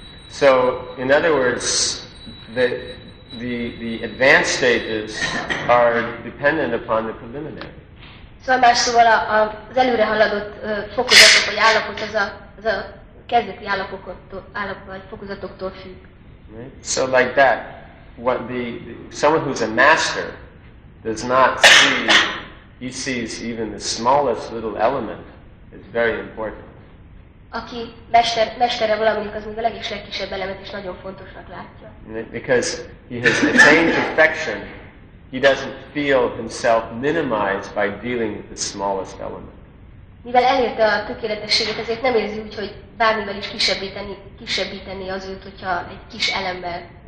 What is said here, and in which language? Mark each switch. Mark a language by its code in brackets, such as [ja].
[en] So, in other words, the advanced stages are dependent upon the preliminary. [hu] So, más szóval az előre haladott fokozatok vagy állapot az a kezdeti állapot vagy fokozatoktól függ. [en] So, like that. What the someone who's a master does not see, he sees even the smallest little element is very important. [hu] Aki mestere valaminek, az még a legkisebb elemet is nagyon fontosnak látja. [en] Because he has attained perfection, he doesn't feel himself minimized by dealing with the smallest element. [hu] Mivel elérte a tökéletességet, ezért nem érzi úgy, hogy bármivel is kisebbíteni az őt, hogyha egy kis elemmel.